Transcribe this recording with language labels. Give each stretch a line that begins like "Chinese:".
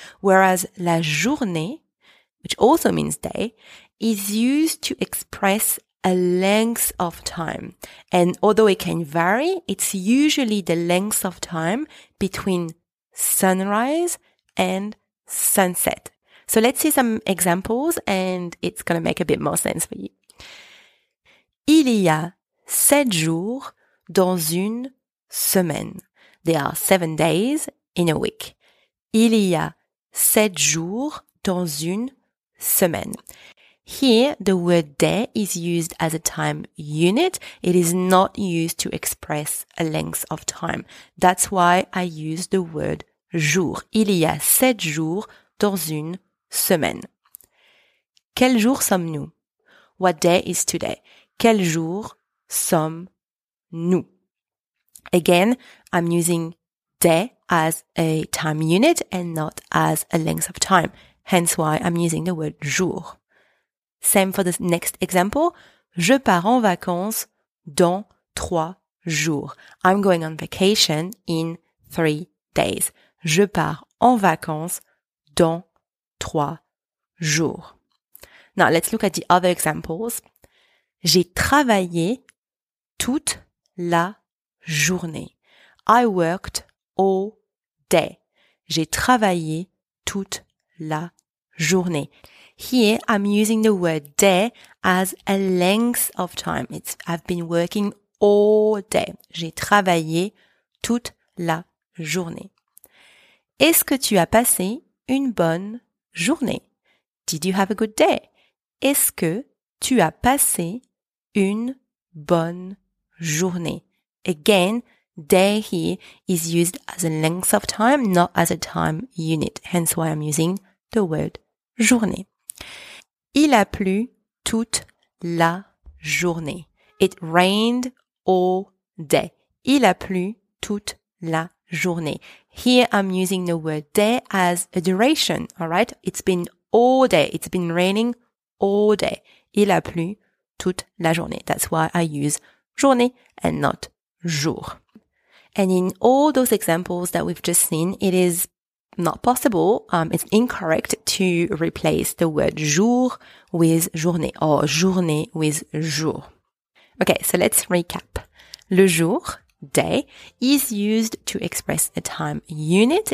English: Whereas, la journée, which also means day, is used to express a length of time. And although it can vary, it's usually the length of time between sunrise and sunset. So let's see some examples and it's going to make a bit more sense for you.
French: Il y a 7 jours dans une semaine.
English: There are 7 days in a week.
French: Il y a 7 jours dans une semaine.
English: Here, the word day is used as a time unit. It is not used to express a length of time. That's why I use the word jour.
French: Il y a 7 jours dans une semaine. Quel jour sommes-nous?
English: What day is today?
French: Quel jour sommes-nous?
English: Again, I'm using day as a time unit and not as a length of time. Hence why I'm using the word jour. Same for the next example.
French: Je pars en vacances dans 3 jours.
English: I'm going on vacation in 3 days.
French: Je pars en vacances dans 3 jours.
English: Now, let's look at the other examples.
French: J'ai travaillé toute la journée.
English: I worked all day.
French: J'ai travaillé toute la journée.
English: Here, I'm using the word day as a length of time. It's I've been working all day.
French: J'ai travaillé toute la journée. Est-ce que tu as passé une bonne journée.
English: Did you have a good day?
French: Est-ce que tu as passé une bonne journée?
English: Again, day here is used as a length of time, not as a time unit. Hence why I'm using the word journée.
French: Il a plu toute la journée.
English: It rained all day.
French: Il a plu toute la journée.
English: Here I'm using the word day as a duration, all right? It's been all day. It's been raining all day.
French: Il a plu toute la journée.
English: That's why I use journée and not jour. And in all those examples that we've just seen, it is not possible, it's incorrect to replace the word jour with journée or journée with jour. Okay, so let's recap. Le jour, day, is used to express a time unit.